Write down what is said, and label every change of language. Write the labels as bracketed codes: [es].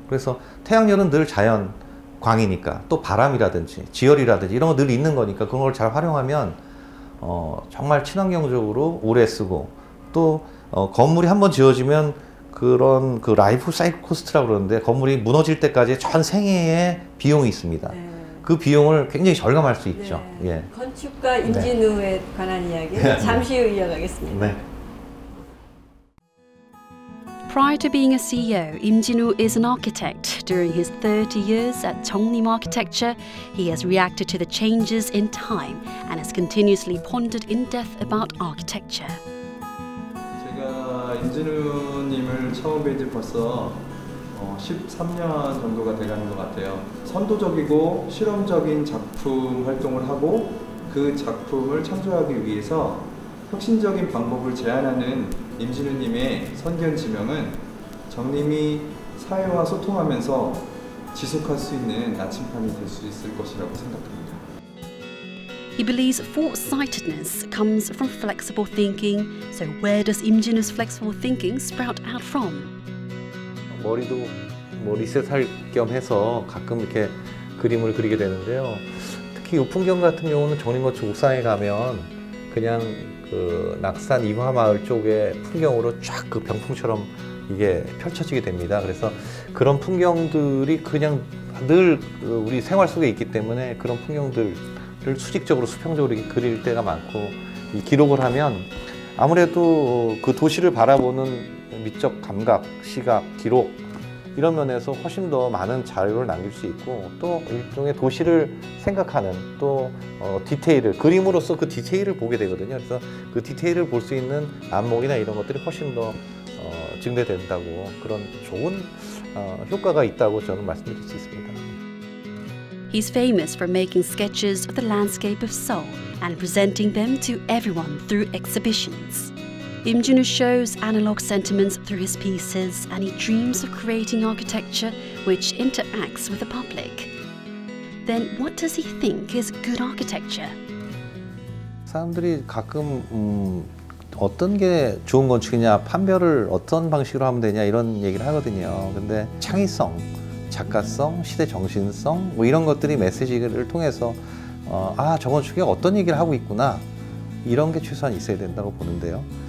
[ko] 그래서 태양열은 늘 자연 광이니까 또 바람이라든지 지열이라든지 이런 거 늘 있는 거니까 그런 걸 잘 활용하면 정말 친환경적으로 오래 쓰고 또 건물이 한번 지어지면 그런 그 라이프 사이클 코스트라고 그러는데 건물이 무너질 때까지 전 생애의 비용이 있습니다. 네. 그 비용을 굉장히 절감할 수 있죠. 네. 예. 건축가 임진우에 네. 관한 이야기 잠시 후 이어가겠습니다. 네. [en] Prior to being a CEO, Im Jin-woo is an architect. During his 30 years at Cheongnim Architecture, he has reacted to the changes in time and has continuously pondered in depth about architecture. [ko] 제가 임진우님을 처음 뵌 지 벌써 13년 정도가 되가는 것 같아요. 선도적이고 실험적인 작품 활동을 하고 그 작품을 창조하기 위해서 혁신적인 방법을 제안하는 임진우님의 선견 지명은 정님이 사회와 소통하면서 지속할 수 있는 나침반이 될 수 있을 것이라고 생각합니다. [en] He believes foresightedness comes from flexible thinking. So where does Im Jin-woo's flexible thinking sprout out from? [ko] 머리도 뭐 리셋할 겸 해서 가끔 이렇게 그림을 그리게 되는데요. 특히 우풍경 같은 경우는 정림거추 옥상에 가면 그냥 그 낙산 이화마을 쪽에 풍경으로 쫙 그 병풍처럼 이게 펼쳐지게 됩니다. 그래서 그런 풍경들이 그냥 늘 우리 생활 속에 있기 때문에 그런 풍경들을 수직적으로 수평적으로 그릴 때가 많고 이 기록을 하면 아무래도 그 도시를 바라보는 미적 감각, 시각, 기록 이런 면에서 훨씬 더 많은 자료를 남길 수 있고 또 일종의 도시를 생각하는 또 디테일을 그림으로서 그 디테일을 보게 되거든요. 그래서 그 디테일을 볼 수 있는 안목이나 이런 것들이 훨씬 더 증대된다고 그런 좋은 효과가 있다고 저는 말씀드릴 수 있습니다. [en] He's famous for making sketches of the landscape of Seoul and presenting them to everyone through exhibitions. Im Jin-woo shows analog sentiments through his pieces, and he dreams of creating architecture which interacts with the public. Then, what does he think is good architecture? [ko] 사람들이 가끔 어떤 게 좋은 건축이냐, 판별을 어떤 방식으로 하면 되냐 이런 얘기를 하거든요. 근데 창의성, 작가성, 시대 정신성 뭐 이런 것들이 메시지를 통해서 저 건축이 어떤 얘기를 하고 있구나 이런 게 최소한 있어야 된다고 보는데요.